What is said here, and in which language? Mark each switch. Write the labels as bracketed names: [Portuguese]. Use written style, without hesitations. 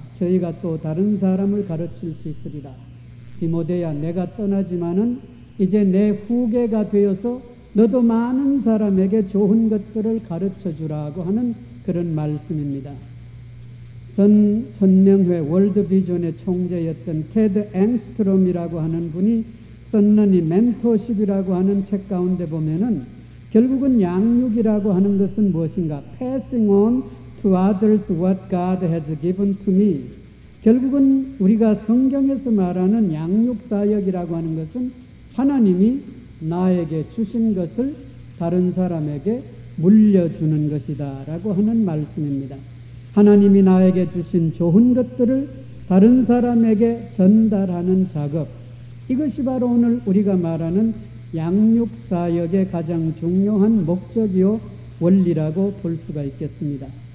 [Korean] 저희가 또 다른 사람을 가르칠 수 있으리라. 디모데야 내가 떠나지만은 이제 내 후계가 되어서 너도 많은 사람에게 좋은 것들을 가르쳐주라고 하는 그런 말씀입니다. 전 선명회 월드비전의 총재였던 테드 앵스트롬이라고 하는 분이 썼느니 멘토십이라고 하는 책 가운데 보면은 결국은 양육이라고 하는 것은 무엇인가? [English] Passing on to others what God has given to me. [Korean] 결국은 우리가 성경에서 말하는 양육사역이라고 하는 것은 하나님이 나에게 주신 것을 다른 사람에게 물려주는 것이다 라고 하는 말씀입니다. 하나님이 나에게 주신 좋은 것들을 다른 사람에게 전달하는 작업, 이것이 바로 오늘 우리가 말하는 양육사역의 가장 중요한 목적이요 원리라고 볼 수가 있겠습니다.